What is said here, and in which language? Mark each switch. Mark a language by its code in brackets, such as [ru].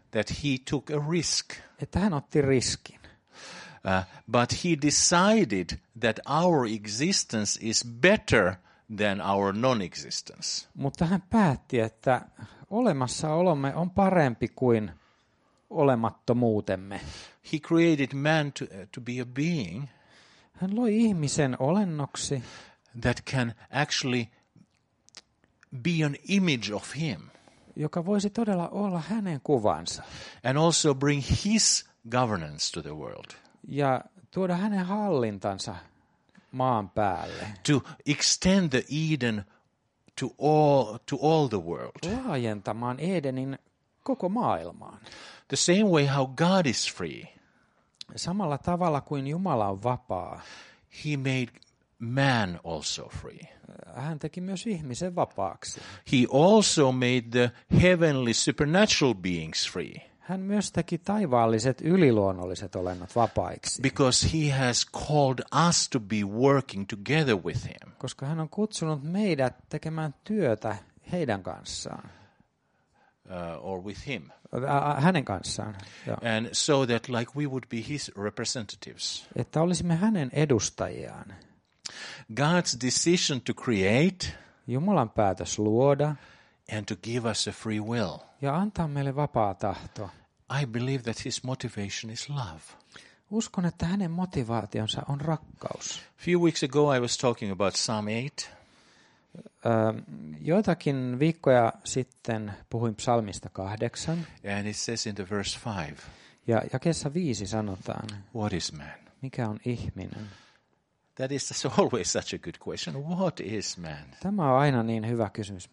[en] that he took a risk. [fi] Että hän otti riskin. [en] But he decided that our existence is better than our non-existence. [fi] Mutta hän päätti, että olemassaolomme on parempi kuin olemattomuutemme. [en] He created man to be a being. [fi] Hän loi ihmisen olennoksi. [en] That can actually be an image of him. [fi] Joka voisi todella olla hänen kuvansa. [en] And also bring his governance to the world. [fi] Ja tuoda hänen hallintansa maan päälle. [en] To extend the Eden to all the world. [fi] Laajentamaan Edenin koko maailmaan. [en] The same way how God is free. [fi] Samalla tavalla kuin Jumala on vapaa. [en] He made man also free. [fi] Hän teki myös ihmisen vapaaksi. [en] He also made the heavenly supernatural beings free. [fi] Hän myös teki taivaalliset yliluonnolliset olennot vapaiksi. [en] Because he has called us to be working together with him. [fi] Koska hän on kutsunut meidät tekemään työtä heidän kanssaan. [en] Or with him. [fi] Hänen kanssaan. Joo. [en] And so that like we would be his representatives. [fi] Että olisimme hänen edustajiaan. [en] God's decision to create, [fi] Jumalan päätös luoda, [en] and to give us a free will. [fi] Ja antaa meille vapaa tahto. [en] I believe that his motivation is love. [fi] Uskon, että hänen motivaationsa on rakkaus. [en] Few weeks ago I was talking about Psalm 8. [fi] Joitakin viikkoja sitten puhuin psalmista 8. [en] And it says in the verse 5. [fi] Ja jakeessa 5 sanotaan. [en] What is man? [fi] Mikä on ihminen? [en] That is always such a good question. What is man? [fi] Tämä on aina niin hyvä kysymys.